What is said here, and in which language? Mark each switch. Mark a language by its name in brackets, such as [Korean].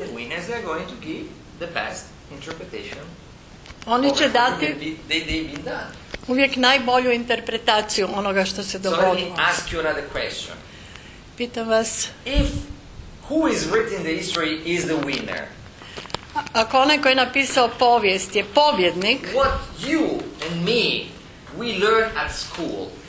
[English] The winners are going to give the best interpretation. [Croatian] Oni će dati... Uvijek najbolju interpretaciju onoga što se dogodilo. [English] So let me ask you another question. [Croatian] Pitam vas. [English] If who is written the history is the winner. [Croatian] Ako onaj koji je napisao povijest je pobjednik. [English] What you and me we learn at school.